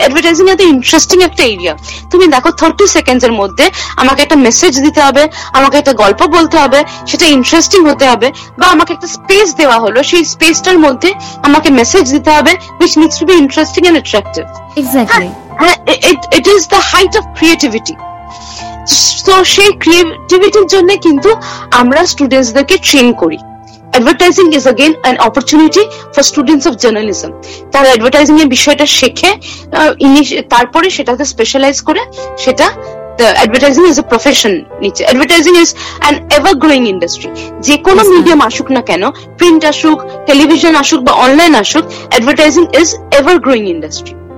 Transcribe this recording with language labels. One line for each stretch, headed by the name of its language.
Bangla: Advertising এত interesting একটা area, তুমি দেখো 30 seconds এর মধ্যে আমাকে একটা মেসেজ দিতে হবে, আমাকে একটা গল্প বলতে হবে, সেটা ইন্টারেস্টিং হতে হবে, বা আমাকে একটা স্পেস দেওয়া হলো, সেই স্পেসটার মধ্যে আমাকে মেসেজ দিতে হবে,
English: which needs to be interesting and attractive. Exactly. It is the height of creativity.
Bangla: So সেই ক্রিয়েটিভিটির জন্য কিন্তু আমরা স্টুডেন্টসদেরকে ট্রেন করি।
English: Advertising is again an opportunity for students of journalism.
Bangla: তারা অ্যাডভার্টাইজিং এর বিষয়টা শেখে, তারপরে সেটাতে স্পেশালাইজ করে সেটা,
English: advertising is a profession
Bangla: নিচ্ছে।
English: advertising is an ever growing industry,
Bangla: যে কোনো মিডিয়াম আসুক না কেন, প্রিন্ট আসুক, টেলিভিশন আসুক বা অনলাইন আসুক,
English: Advertising is ever growing industry.